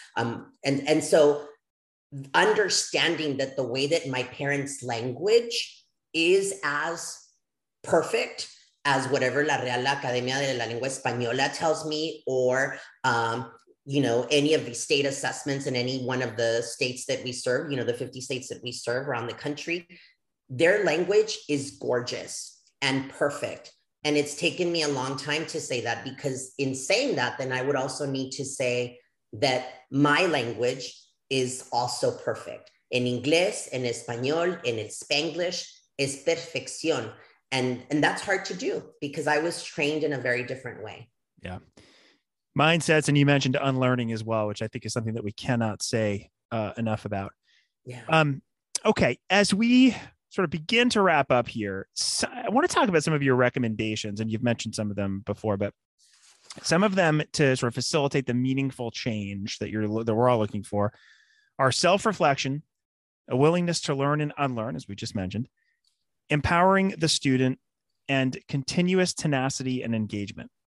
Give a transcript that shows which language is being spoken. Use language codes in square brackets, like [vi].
[en] And so understanding that the way that my parents' language is as perfect as whatever La Real Academia de la Lengua Española tells me, or you know, any of the state assessments in any one of the states that we serve, you know, the 50 states that we serve around the country, their language is gorgeous and perfect. And it's taken me a long time to say that, because in saying that, then I would also need to say that my language is also perfect. [es] En inglés, en español, en el Spanglish, es perfección. [en] And that's hard to do because I was trained in a very different way. Yeah. Mindsets. And you mentioned unlearning as well, which I think is something that we cannot say enough about. Yeah. Okay. As we sort of begin to wrap up here, I want to talk about some of your recommendations, and you've mentioned some of them before, but some of them to sort of facilitate the meaningful change that we're all looking for are self-reflection, a willingness to learn and unlearn, as we just mentioned, empowering the student, and continuous tenacity and engagement.